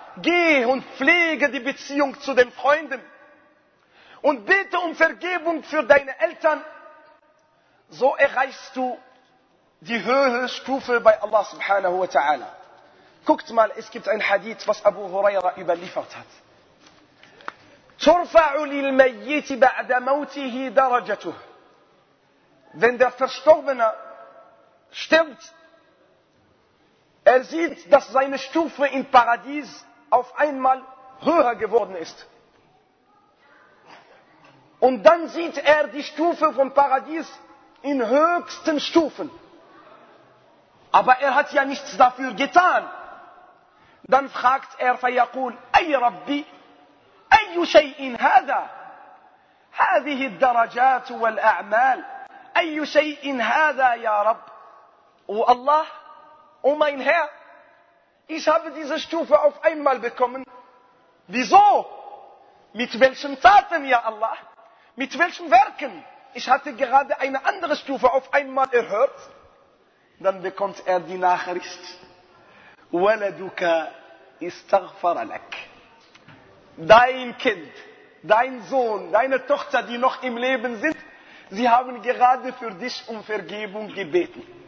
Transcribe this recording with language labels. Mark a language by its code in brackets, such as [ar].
[de] Geh und pflege die Beziehung zu den Freunden und bete um Vergebung für deine Eltern. So erreichst du die höhere Stufe bei Allah subhanahu wa ta'ala. Guckt mal, es gibt ein Hadith, was Abu Huraira überliefert hat. [ar] ترفع للميت بعد موته درجته. [de] Wenn der Verstorbene stirbt, er sieht, dass seine Stufe im Paradies auf einmal höher geworden ist. Und dann sieht er die Stufe vom Paradies in höchsten Stufen. Aber er hat ja nichts dafür getan. [ar] Dann fragt er, فيقول أي ربي أي شيء هذا؟ هذه الدرجات والأعمال أي شيء هذا يا رب؟ والله أو [de] mein Herr, ich habe diese Stufe auf einmal bekommen. Wieso? Mit welchen Taten, ja Allah? Mit welchen Werken? Ich hatte gerade eine andere Stufe auf einmal erhört. Dann bekommt er die Nachricht. [ar] ولدك استغفر لك. [de] Dein Kind, dein Sohn, deine Tochter, die noch im Leben sind, sie haben gerade für dich um Vergebung gebeten.